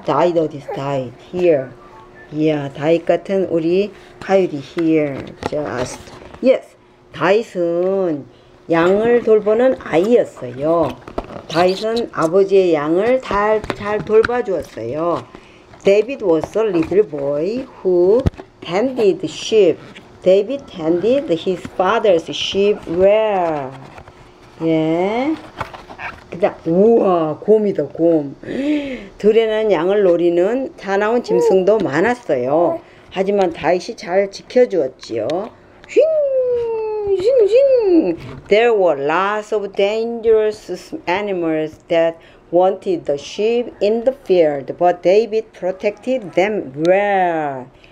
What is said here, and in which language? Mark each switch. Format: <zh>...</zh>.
<ko>다윗 어디서? 다윗 here. 이야 다윗 같은 우리 하율이 here.</ko> <en>just yes.</en> <ko>다윗은 양을 돌보는 아이였어요. 다윗은 아버지의 양을 잘 돌봐주었어요.</ko> <en>David was a little boy who tended sheep. David tended his father's sheep well. 예.</en> <ko>그다음, 우와, 곰이다, 곰. 들에는 양을 노리는 사나운 짐승도 많았어요. 하지만 다윗이 잘 지켜주었지요. 휭, 휭, 휭.</ko> <en>There were lots of dangerous animals that wanted the sheep in the field, but David protected them well.</en>